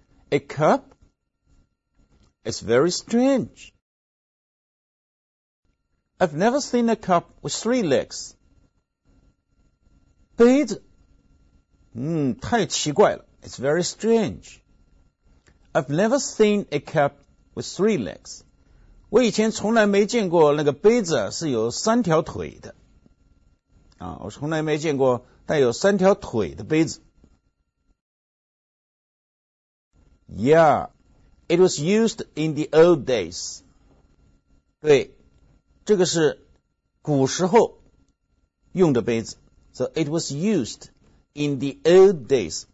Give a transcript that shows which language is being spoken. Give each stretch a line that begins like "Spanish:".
English: A cup? It's very strange. I've never seen a cup with three legs.
Chinese: 杯子，太奇怪了。
English: It's very strange. I've never seen a cup with three legs.
Chinese: 我以前从来没见过那个杯子是有三条腿的。我从来没见过带有三条腿的杯子。
English: Yeah, it was used in the old days.
Chinese: 对，这个是古时候用的杯子。
English: So it was used in the old days.